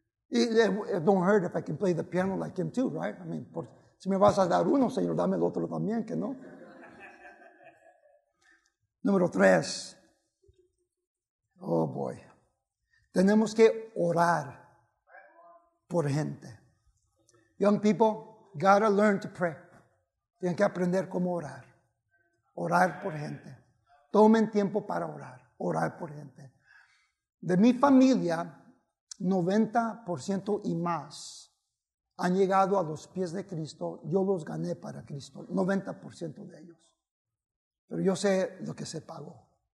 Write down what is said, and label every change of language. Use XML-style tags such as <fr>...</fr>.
<en>It don't hurt if I can play the piano like him too, right? I mean,</en> <es>si me vas a dar uno, Señor, dame el otro también, que no. Número tres.</es> <en>Oh, boy.</en> <es>Tenemos que orar por gente.</es> <en>Young people, gotta learn to pray.</en> <es>Tienen que aprender cómo orar. Orar por gente. Tomen tiempo para orar. Orar por gente. De mi familia, 90% y más han llegado a los pies de Cristo. Yo los gané para Cristo, 90% de ellos. Pero yo sé lo que se pagó.</es>